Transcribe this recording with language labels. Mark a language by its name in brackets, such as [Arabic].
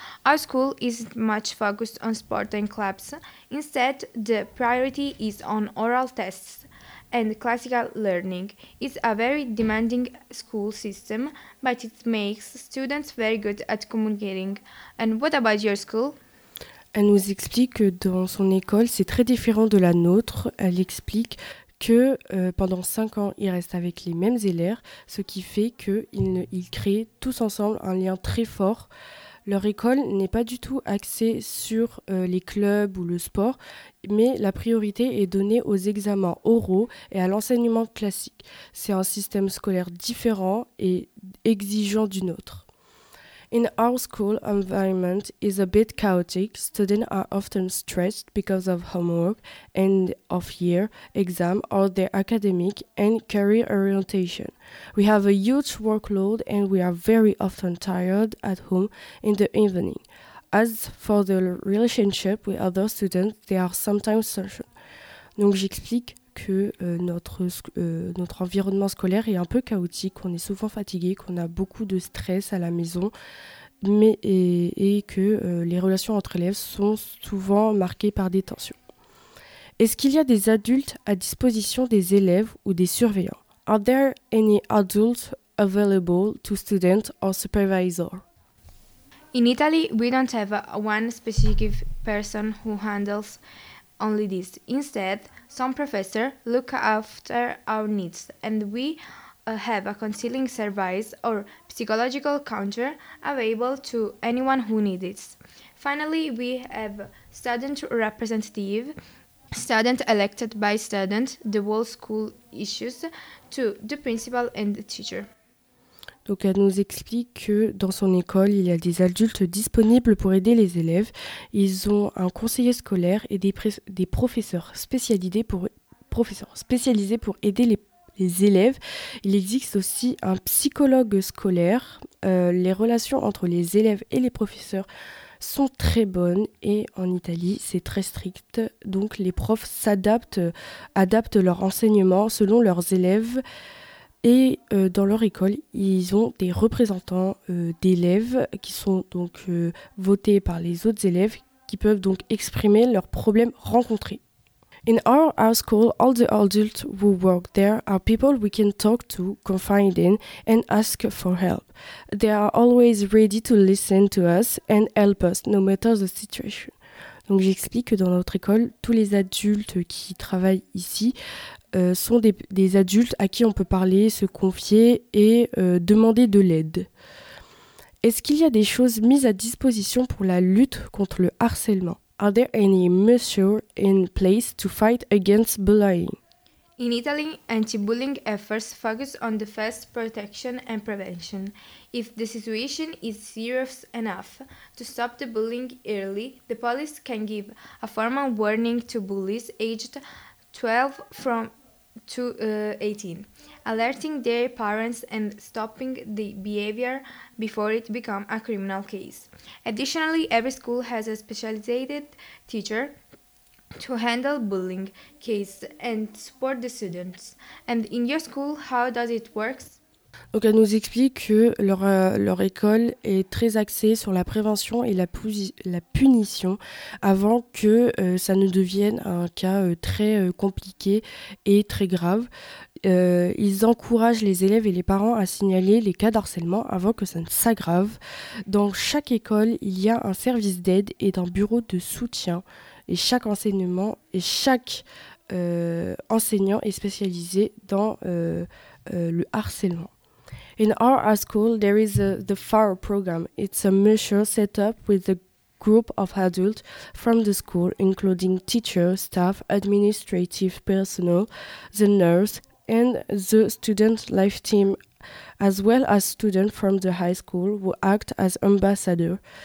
[English] Our school isn't much focused on sport and clubs. Instead, the priority is on oral tests and classical learning. It's a very demanding school system, but it makes students very good at communicating. And what about your school? [French] Elle nous explique que dans son école, c'est très différent de la nôtre. Elle explique que pendant 5 ans, ils restent avec les mêmes élèves, ce qui fait qu'ils créent tous ensemble un lien très fort. Leur école n'est pas du tout axée sur les clubs ou le sport, mais la priorité est donnée aux examens oraux et à l'enseignement classique. C'est un système scolaire différent et exigeant du nôtre. [English] In our school environment is a bit chaotic. Students are often stressed because of homework, end of year exam, or their academic and career orientation. We have a huge workload and we are very often tired at home in the evening. As for the relationship with other students, they are sometimes social. [French] Donc j'explique que notre environnement scolaire est un peu chaotique, qu'on est souvent fatigué, qu'on a beaucoup de stress à la maison, mais que les relations entre élèves sont souvent marquées par des tensions. Est-ce qu'il y a des adultes à disposition des élèves ou des surveillants? [English] Are there any adults available to students or supervisor? In Italy, we don't have one specific person who handles only this. Instead, some professors look after our needs, and we have a counseling service or psychological counter available to anyone who needs it. Finally, we have student representative, student elected by student, the whole school issues to the principal and the teacher. [French] Donc elle nous explique que dans son école, il y a des adultes disponibles pour aider les élèves. Ils ont un conseiller scolaire et des professeurs spécialisés pour aider les élèves. Il existe aussi un psychologue scolaire. Les relations entre les élèves et les professeurs sont très bonnes et en Italie, c'est très strict. Donc les profs adaptent leur enseignement selon leurs élèves. Et dans leur école, ils ont des représentants d'élèves qui sont donc votés par les autres élèves qui peuvent donc exprimer leurs problèmes rencontrés. [English] In our school, all the adults who work there are people we can talk to, confide in and ask for help. They are always ready to listen to us and help us no matter the situation. [French] Donc j'explique que dans notre école, tous les adultes qui travaillent ici sont des adultes à qui on peut parler, se confier et demander de l'aide. Est-ce qu'il y a des choses mises à disposition pour la lutte contre le harcèlement? [English] Are there any measures in place to fight against bullying? In Italy, anti-bullying efforts focus on the first protection and prevention. If the situation is serious enough to stop the bullying early, the police can give a formal warning to bullies aged 12 from to 18, alerting their parents and stopping the behavior before it becomes a criminal case. Additionally, every school has a specialized teacher to handle bullying cases and support the students. And in your school, how does it work? [French] Donc elle nous explique que leur école est très axée sur la prévention et la punition avant que ça ne devienne un cas très compliqué et très grave. Ils encouragent les élèves et les parents à signaler les cas d'harcèlement avant que ça ne s'aggrave. Dans chaque école, il y a un service d'aide et un bureau de soutien. Et chaque enseignement et chaque enseignant est spécialisé dans le harcèlement. [English] In our school, there is the FAR program. It's a measure set up with a group of adults from the school, including teachers, staff, administrative personnel, the nurse, and the student life team, as well as students from the high school who act as ambassadors.